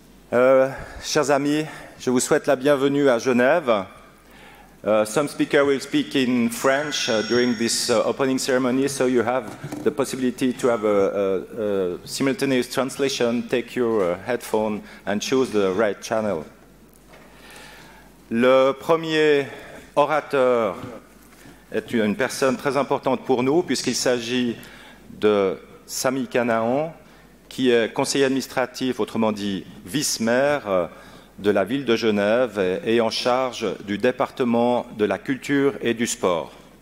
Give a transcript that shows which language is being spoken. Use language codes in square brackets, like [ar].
[fr] Chers amis, je vous souhaite la bienvenue à Genève. [en] Some speaker will speak in French during this opening ceremony, so you have the possibility to have a simultaneous translation. Take your headphone and choose the right channel. [fr] Le premier orateur est une personne très importante pour nous, puisqu'il s'agit de Sami Kanaan, qui est conseiller administratif, autrement dit vice-maire, de la ville de Genève et en charge du département de la culture et du sport.